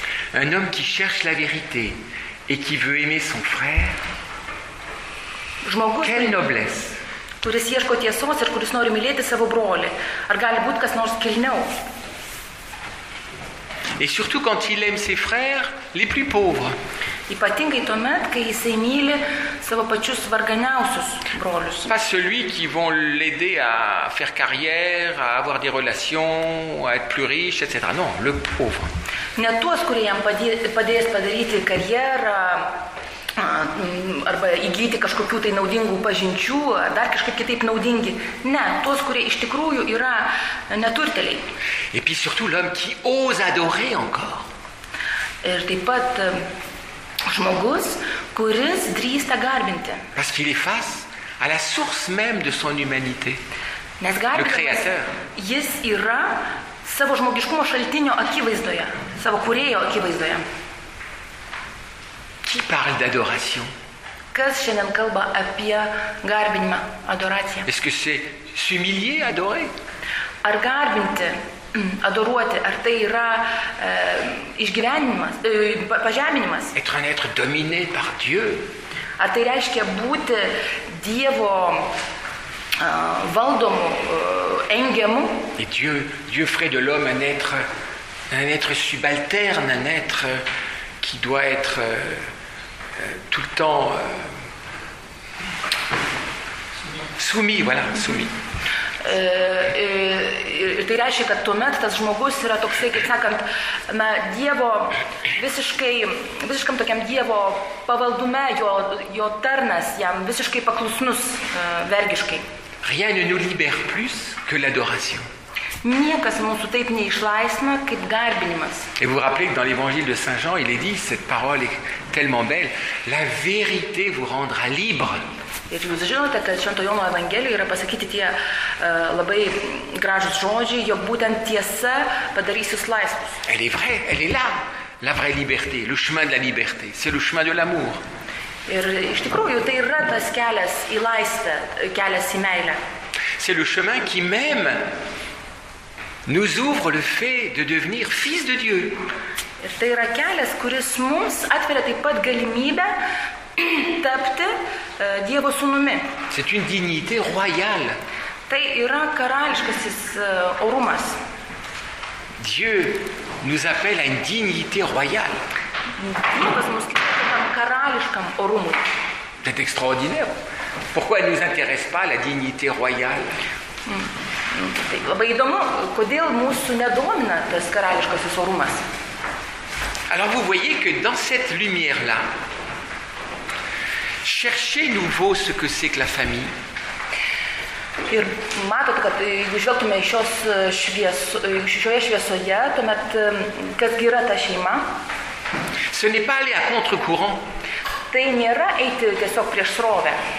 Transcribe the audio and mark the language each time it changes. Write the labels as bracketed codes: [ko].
[fr] Un homme qui cherche la vérité et qui veut aimer son frère, [lt] žmogus, [fr] quelle noblesse! [lt] Kuris ieško tiesos ir kuris nori mylėti savo brolį. Ar gali būti kas nors kilniau? [fr] Et surtout quand il aime ses frères les plus pauvres. [lt] Ypatingai tuomet, kai jisai myli savo pačius varganiausius brolius. [fr] Pas celui qui vont l'aider à faire carrière, à avoir des relations, à être plus riche, etc. Non, le pauvre. [lt] Ne tuos, kurie jam padės padaryti karjerą, arba įgyti kažkokių tai naudingų pažinčių, dar kažkaip kitaip naudingi. Ne, tuos, kurie iš tikrųjų yra neturteliai. [fr] Et puis surtout l'homme qui ose adorer encore. [lt] Ir taip pat žmogus, kuris drįsta garbinti. [fr] Parce qu'il est face à la source même de son humanité. [lt] Nes garbinimas, jis yra savo žmogiškumo šaltinio akivaizdoje, savo kūrėjo akivaizdoje. [fr] Qui parle d'adoration? [lt] Kas šiandien kalba apie garbinimą, adoraciją? [fr] Est-ce que c'est s'humilier, adorer? [lt] Ar garbinti, adoruoti, ar tai yra išgyvenimas, pažeminimas? [fr] Être un être dominé par Dieu. [lt] Ar tai reiškia būti Dievo valdomu, engiamu? [fr] Et Dieu ferait de l'homme un être subalterne, un être qui doit être tout le temps soumis, voilà, soumis. [lt] Ir tai reiškia, kad tuomet tas žmogus yra toksai, kaip sakant, na, Dievo visiškam tokiam Dievo pavaldume, jo tarnas, jam visiškai paklusnus vergiškai. [fr] Rien ne nous libère plus que l'adoration. [lt] Niekas mūsų taip neišlaisina kaip garbinimas. [fr] Et vous rappelez que dans l'évangile de Saint Jean, il est dit cette parole est tellement belle, la vérité vous rendra libre. [lt] Ir jūs žinote, kad Švento Jono evangelijoje yra pasakyti tie labai gražus žodžiai, jog būtent tiesa padarys jūs laisvus. [fr] Elle est vraie, elle est là, la vraie liberté, le chemin de la liberté, c'est le chemin de l'amour. [lt] Ir iš tikrųjų tai yra tas kelias į laisvę, kelias į meilę. [fr] C'est le chemin qui même nous ouvre le fait de devenir fils de Dieu. [lt] Ir tai yra kelias, kuris mums atveria taip pat galimybę tapti Dievo sūnumi. [fr] C'est une dignité royale. [lt] Tai yra karališkasis orumas. [fr] Dieu nous appelle à une dignité royale. [lt] Dievas mus kviečia tam karališkam orumui. [fr] C'est extraordinaire. Pourquoi elle ne nous intéresse pas la dignité royale? [lt] Tai labai įdomu, kodėl mūsų nedomina tas karališkasis orumas. [fr] Alors vous voyez que dans cette lumière-là, chercher nouveau ce que c'est que la famille. [lt] Ir matot, kad jeigu žvelgtume į šios šioje šviesoje, tuomet kas yra ta šeima? [fr] Ce n'est pas aller à contre-courant. [lt] Tai nėra eiti tiesiog prieš srovę.